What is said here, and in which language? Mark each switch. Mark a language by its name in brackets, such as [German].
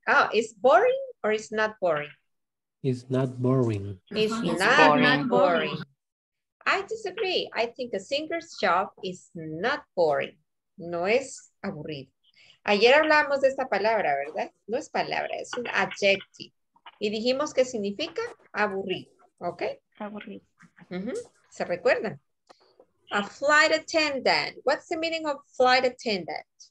[English] Oh, it's boring or it's not boring? It's not boring. It's not boring. I disagree. I think a singer's job is not boring. [Spanish] No es aburrido. Ayer hablamos de esta palabra, ¿verdad? No es palabra, es un adjective. Y dijimos que significa aburrido, ¿ok? Aburrido. ¿Se recuerdan? [English] A flight attendant. What's the meaning of flight attendant?